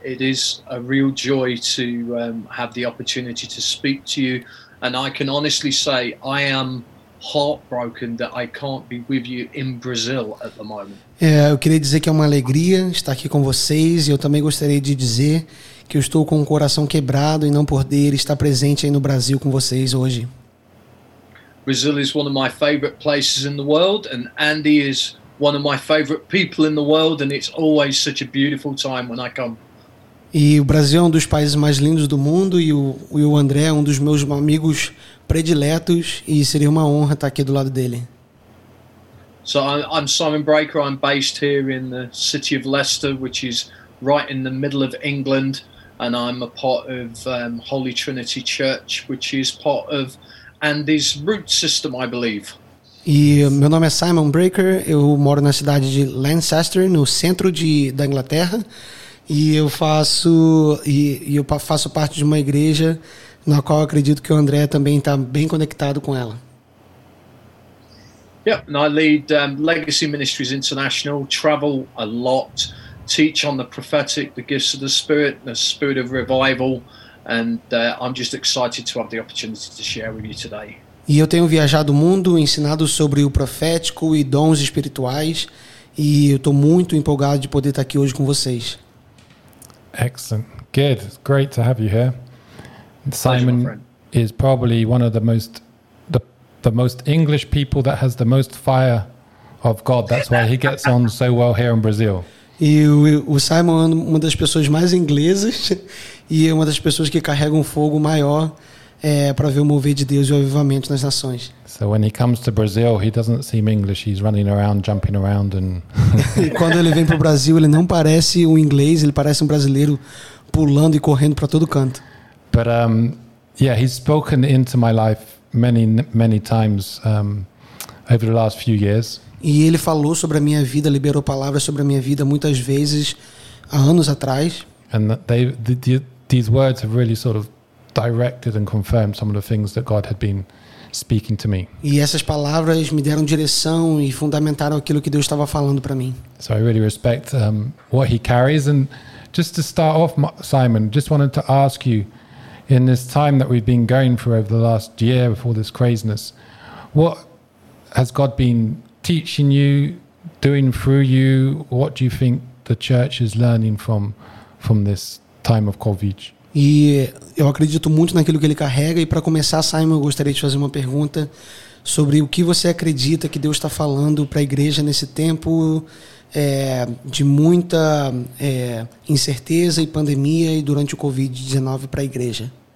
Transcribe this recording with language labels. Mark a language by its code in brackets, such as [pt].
[en] It is a real joy to have the opportunity to speak to you. And I can honestly say I am heartbroken that I can't be with you in Brazil at the moment. [pt] É, eu queria dizer que é uma alegria estar aqui com vocês. E eu também gostaria de dizer que eu estou com o coração quebrado em não poder estar presente aí no Brasil com vocês hoje. [en] Brazil is one of my favorite places in the world, and Andy is one of my favorite people in the world, and it's always such a beautiful time when I come. [pt] E o Brasil é um dos países mais lindos do mundo, e o André é um dos meus amigos prediletos, e seria uma honra estar aqui do lado dele. [en] So I'm Simon Breaker. I'm based here in the city of Leicester, which is right in the middle of England, and I'm a part of Holy Trinity Church, which is part of Andy's root system, I believe. [pt] E meu nome é Simon Breaker, eu moro na cidade de Leicester, no centro da Inglaterra, e eu faço parte de uma igreja na qual eu acredito que o André também está bem conectado com ela. [en] Yeah, and I lead Legacy Ministries International, travel a lot, teach on the prophetic, the gifts of the spirit of revival, and I'm just excited to have the opportunity to share with you today. [pt] E eu tenho viajado o mundo, ensinado sobre o profético e dons espirituais, e eu estou muito empolgado de poder estar aqui hoje com vocês. [en] Excellent. Good. Great to have you here. Simon is probably one of the most English people that has the most fire of God. That's why he gets on so well here in Brazil. [pt] E o Simon é uma das pessoas mais inglesas e é uma das pessoas que carrega um fogo maior. É, para ver o mover de Deus e o avivamento nas nações. [en] So when he comes to Brazil, he doesn't seem English. He's running around, jumping around, and. [pt] E quando ele vem para o Brasil, ele não parece um inglês. Ele parece um brasileiro pulando e correndo para todo canto. [en] But yeah, he's spoken into my life many times over the last few years. [pt] E ele falou sobre a minha vida, liberou palavras sobre a minha vida muitas vezes há anos atrás. [en] And these words have really sort of directed and confirmed some of the things that God had been speaking to me. [pt] E essas palavras me deram direção e fundamentaram aquilo que Deus estava falando para mim. [en] So I really respect what he carries. And just to start off, Simon, just wanted to ask you, in this time that we've been going through over the last year before this craziness, what has God been teaching you, doing through you? What do you think the church is learning from this time of COVID? [pt] E eu acredito muito naquilo que ele carrega. E para começar, Simon, eu gostaria de fazer uma pergunta sobre o que você acredita que Deus está falando para a igreja nesse tempo de muita incerteza e pandemia e durante o Covid-19 para a igreja.